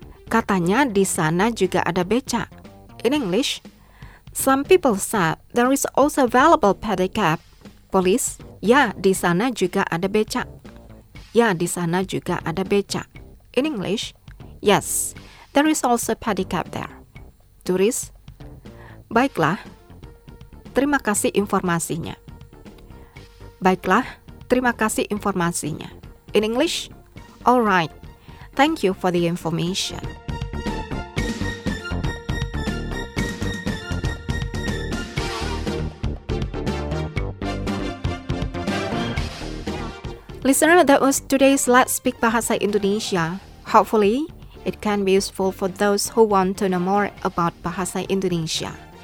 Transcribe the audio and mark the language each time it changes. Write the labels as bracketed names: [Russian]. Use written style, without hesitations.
[Indonesian] Katanya di sana juga ada becak. [English] In English, some people said there is also available pedicab. [Indonesian] Police, ya, di sana juga ada becak. Ya, di sana juga ada becak. [English] In English, yes, there is also pedicab there. [Indonesian] Turis, baiklah, terima kasih informasinya. Baiklah, terima kasih informasinya. [English] In English, all right, thank you for the information. Listener, that was today's Let's Speak Bahasa Indonesia. Hopefully, it can be useful for those who want to know more about Bahasa Indonesia.